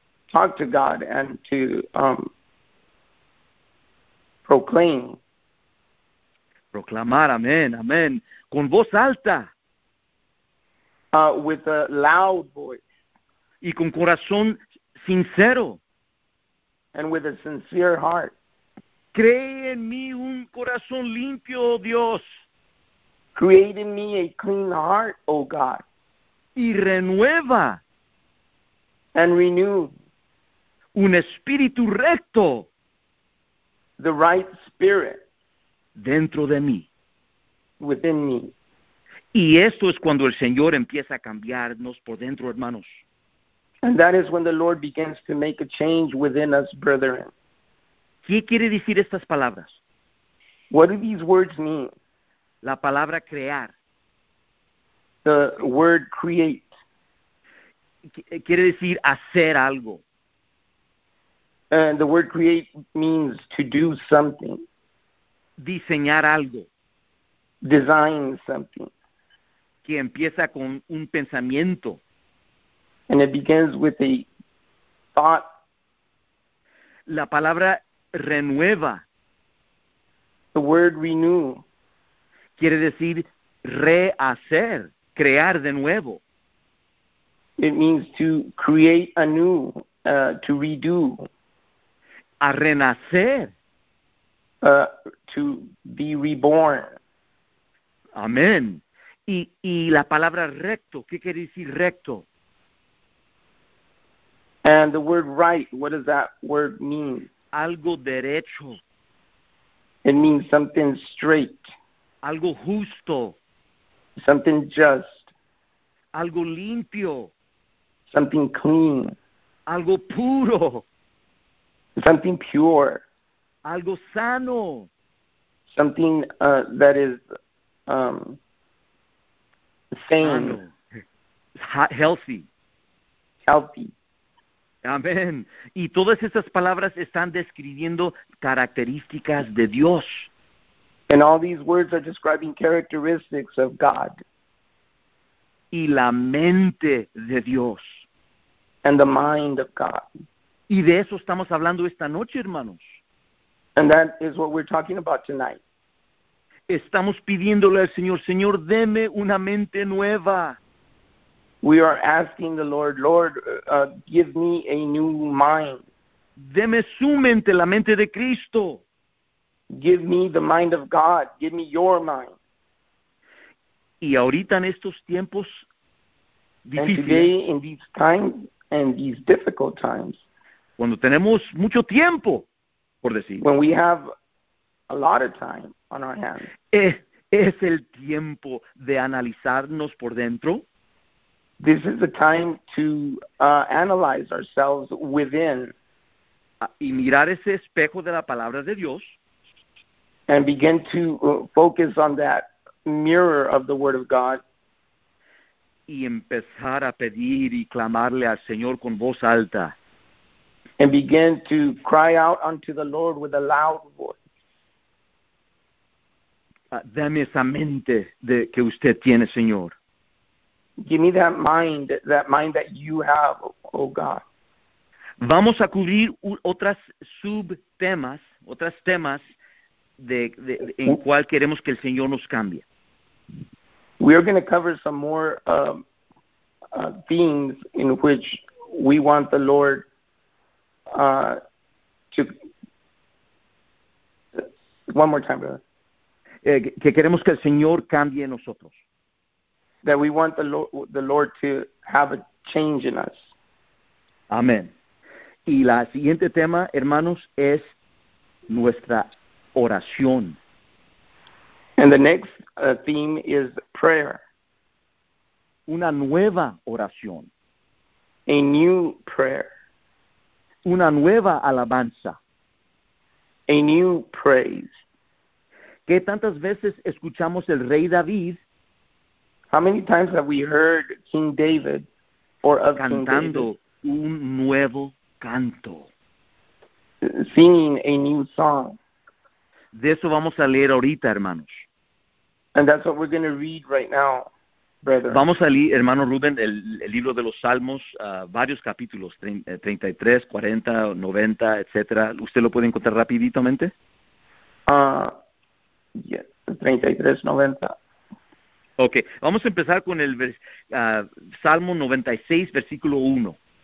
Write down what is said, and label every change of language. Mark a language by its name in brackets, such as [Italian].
[English] Talk to God and to proclaim. [Spanish] Proclamar, amén, amén. Con voz alta. [English] With a loud voice. [Spanish] Y con corazón sincero. [English] and with a sincere heart. [Spanish] Cree en mí un corazón limpio, oh Dios. [English] Create in me a clean heart, O God. [Spanish] Y renueva. [English] And renew. [Spanish] Un espíritu recto. [English] The right spirit. [Spanish] Dentro de mí. [English] Within me. [Spanish] Y esto es cuando el Señor empieza a cambiarnos por dentro, hermanos. [English] And that is when the Lord begins to make a change within us, brethren. [Spanish] ¿Qué quiere decir estas palabras? [English] What do these words mean? [Spanish] La palabra crear. [English] The word create. [Spanish] Quiere decir hacer algo. [English] And the word create means to do something. [Spanish] Diseñar algo. [English] Design something. [Spanish] Que empieza con un pensamiento. [English] And it begins with a thought. [Spanish] La palabra renueva. [English] The word renew. [Spanish] Quiere decir rehacer, crear de nuevo. [English] It means to create anew, to redo. [Spanish] A renacer. [English] To be reborn. [Spanish] Amén. Y la palabra recto, ¿qué quiere decir recto? [English] And the word right, what does that word mean? [Spanish] Algo derecho. [English] It means something straight. [Spanish] Algo justo. [English] Something just. [Spanish] Algo limpio. [English] Something clean. [Spanish] Algo puro. [English] Something pure. [Spanish] Algo sano. [English] Something that is sane. Healthy. Healthy. [Spanish] Amén. Y todas estas palabras están describiendo características de Dios. [English] And all these words are describing characteristics of God. [Spanish] Y la mente de Dios. [English] And the mind of God. [Spanish] Y de eso estamos hablando esta noche, hermanos. [English] And that is what we're talking about tonight. [Spanish] Estamos pidiéndole al Señor, Señor, deme una mente nueva. [English] We are asking the Lord, Lord, give me a new mind. [Spanish] Deme su mente, la mente de Cristo. [English] Give me the mind of God. Give me your mind. [Spanish] Y ahorita en estos tiempos difíciles. [English] And today in these times and these difficult times. [Spanish] Cuando tenemos mucho tiempo, por decir. [English] When we have a lot of time on our hands. [Spanish] Es el tiempo de analizarnos por dentro. [English] This is the time to analyze ourselves within. [Spanish] Y mirar ese espejo de la palabra de Dios. [English] And begin to focus on that mirror of the Word of God. [Spanish] Y empezar a pedir y clamarle al Señor con voz alta. [English] And begin to cry out unto the Lord with a loud voice. [Spanish] Dame esa mente que usted tiene, Señor. [English] Give me that mind that you have, oh God. [Spanish] Vamos a cubrir otras subtemas, otras temas. En cual queremos que el Señor nos cambie. [English] We are going to cover some more themes in which we want the Lord to. One more time, brother. [Spanish] Que queremos que el Señor cambie en nosotros. [English] That we want the Lord to have a change in us. [Spanish] Amén. Y la siguiente tema, hermanos, es nuestra oración. [English] And the next theme is prayer. [Spanish] Una nueva oración. [English] A new prayer. [Spanish] Una nueva alabanza. [English] A new praise. [Spanish] ¿Qué tantas veces escuchamos el rey David? [English] How many times have we heard King David or of King David [Spanish] cantando un nuevo canto? [English] Singing a new song. [Spanish] De eso vamos a leer ahorita, hermanos. [English] And that's what we're going to read right now, brother. [Spanish] Vamos a leer, hermano Rubén, el libro de los Salmos, varios capítulos, 33, 40, 90, etcétera. ¿Usted lo puede encontrar rapiditamente? [English] Yes, 33, 90. [Spanish] Okay, vamos a empezar con el Salmo 96, versículo 1.